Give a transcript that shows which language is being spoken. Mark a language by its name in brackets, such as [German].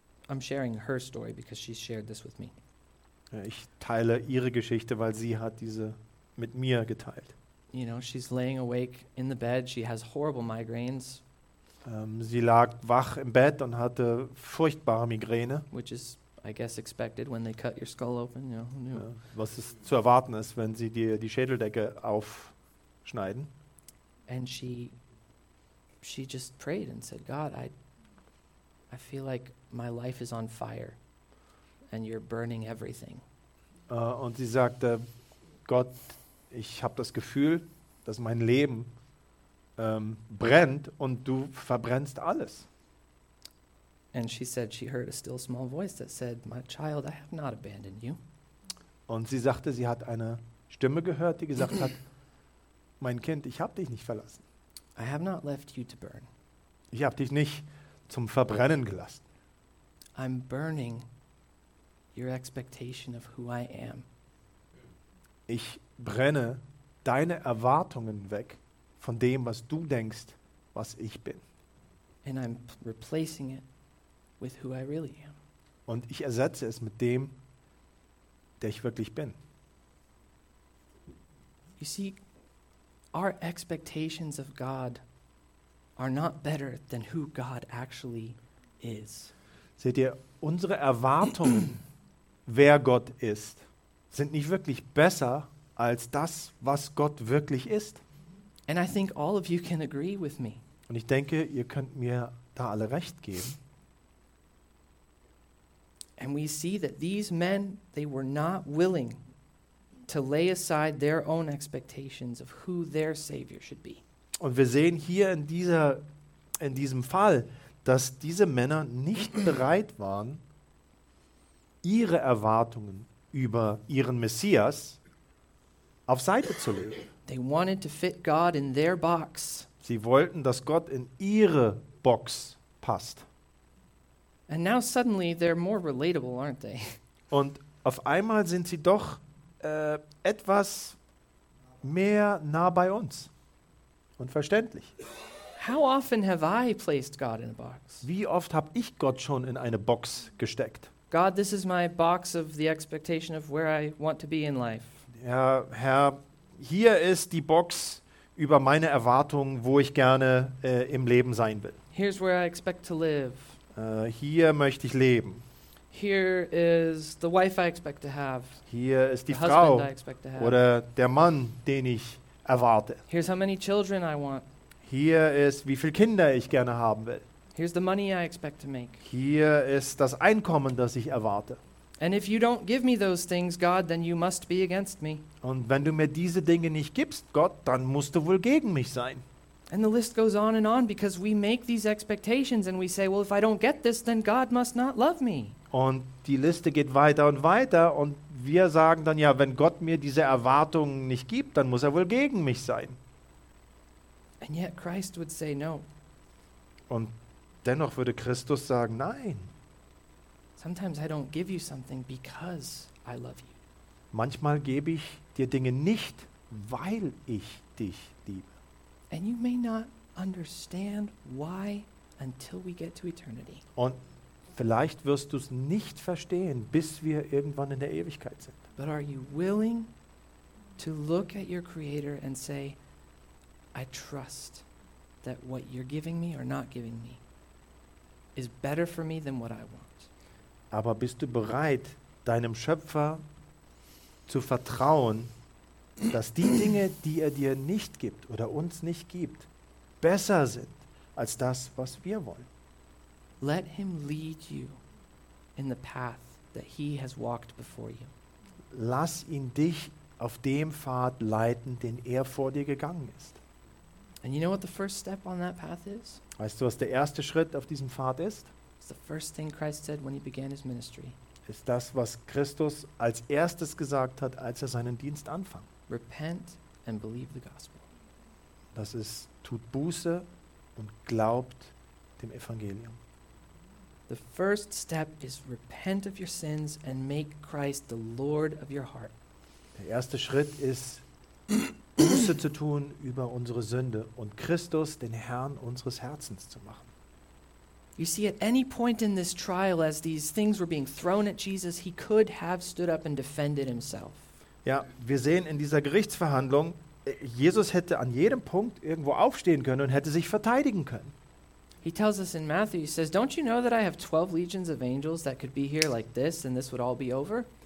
[English] I'm sharing her story because she shared this with me. [German] Ja, ich teile ihre Geschichte, weil sie hat diese mit mir geteilt. [English] You know, she's laying awake in the bed. She has horrible migraines. [German] Sie lag wach im Bett und hatte furchtbare Migräne. [English] Which is, I guess, expected when they cut your skull open. You know, who knew? [German] Was ist zu erwarten ist, wenn sie dir die Schädeldecke aufschneiden. [English] And she just prayed and said, God, I feel like my life is on fire and you're burning everything. [German] Und sie sagte, Gott, ich habe das Gefühl, dass mein Leben brennt und du verbrennst alles. [English] And she said she heard a still small voice that said, my child, I have not abandoned you. [German] Und sie sagte, sie hat eine Stimme gehört, die gesagt hat, mein Kind, ich habe dich nicht verlassen. [English] I have not left you to burn. [German] Ich habe dich nicht zum Verbrennen gelassen. [English] I'm burning your expectation of who I am. [German] Ich brenne deine Erwartungen weg von dem, was du denkst, was ich bin. [English] And I'm replacing it with who I really am. [German] Und ich ersetze es mit dem, der ich wirklich bin. [English] You see, our expectations of God are not better than who God actually is. [German] Seht ihr, unsere Erwartungen, wer Gott ist, sind nicht wirklich besser als das, was Gott wirklich ist. [English] And I think all of you can agree with me. [German] Und ich denke, ihr könnt mir da alle recht geben. [English] And we see that these men, they were not willing to lay aside their own expectations of who their savior should be. [German] Und wir sehen hier in diesem Fall, dass diese Männer nicht bereit waren, ihre Erwartungen über ihren Messias auf Seite zu legen. [English] They wanted to fit God in their box. [German] Sie wollten, dass Gott in ihre Box passt. [English] And now suddenly they're more relatable, aren't they? [German] Und auf einmal sind sie doch etwas mehr nah bei uns und verständlich. [English] How often have I placed God in a box? [German] Wie oft habe ich Gott schon in eine Box gesteckt? [English] God, this is my box of the expectation of where I want to be in life. [German] Ja, Herr, hier ist die Box über meine Erwartungen, wo ich gerne im Leben sein will. [English] Here's where I expect to live. [German] Hier möchte ich leben. [English] Here is the wife I expect to have. [German] Hier ist die Frau oder der Mann, den ich erwarte. [English] Here's how many children I want. [German] Hier ist, wie viele Kinder ich gerne haben will. [English] Here's the money I expect to make. [German] Hier ist das Einkommen, das ich erwarte. [English] And if you don't give me those things, God, then you must be against me. [German] Und wenn du mir diese Dinge nicht gibst, Gott, dann musst du wohl gegen mich sein. [English] And the list goes on and on because we make these expectations and we say, well, if I don't get this, then God must not love me. [German] Und die Liste geht weiter und weiter und wir sagen dann ja, wenn Gott mir diese Erwartungen nicht gibt, dann muss er wohl gegen mich sein. [English] And yet Christ would say no. [German] Und dennoch würde Christus sagen, nein. [English] Sometimes I don't give you something because I love you. [German] Manchmal gebe ich dir Dinge nicht, weil ich dich liebe. [English] And you may not understand why until we get to eternity. [German] Und vielleicht wirst du es nicht verstehen, bis wir irgendwann in der Ewigkeit sind. [English] But are you willing to look at your creator and say, I trust that what you're giving me or not giving me is better for me than what I want. [German] Aber bist du bereit, deinem Schöpfer zu vertrauen, dass die Dinge, die er dir nicht gibt oder uns nicht gibt, besser sind als das, was wir wollen? [English] Let him lead you in the path that he has walked before you. [German] Lass ihn dich auf dem Pfad leiten, den er vor dir gegangen ist. [English] And you know what the first step on that path is? [German] Weißt du, was der erste Schritt auf diesem Pfad ist? [English] It's the first thing Christ said when he began his ministry. [German] Ist das, was Christus als erstes gesagt hat, als er seinen Dienst anfing. [English] Repent and believe the gospel. [German] Das ist, tut Buße und glaubt dem Evangelium. [English] The first step is repent of your sins and make Christ the Lord of your heart. [German] Der erste Schritt ist, Buße zu tun über unsere Sünde und Christus den Herrn unseres Herzens zu machen. [English] You see, at any point in this trial, as these things were being thrown at Jesus, he could have stood up and defended himself. [German] Ja, wir sehen in dieser Gerichtsverhandlung, Jesus hätte an jedem Punkt irgendwo aufstehen können und hätte sich verteidigen können. [English] He tells us in Matthew, he says, don't you know that I have 12 legions of angels that could be here like this and this would all be over?